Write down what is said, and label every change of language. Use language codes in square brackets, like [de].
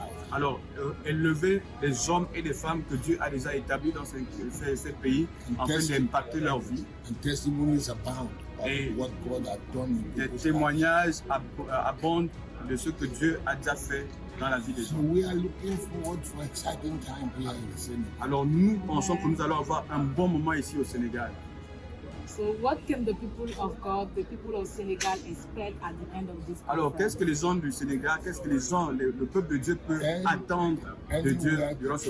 [fr] Alors, élever les hommes et les femmes que Dieu a déjà établis dans ces pays afin d'impacter leur vie. [en] And testimonies abound of what God has done in [fr] des témoignages abondent de ce que Dieu a déjà fait dans la vie des gens. [en] So we are looking forward for exciting time here in Sénégal. [fr] Alors, nous pensons que nous allons avoir un bon moment ici au Sénégal. [en] So what can the people of God, the people of Senegal expect at the end of this conference? [fr] Alors qu'est-ce que les hommes du Sénégal, qu'est-ce que les gens, le peuple de Dieu peut attendre de Dieu durant ce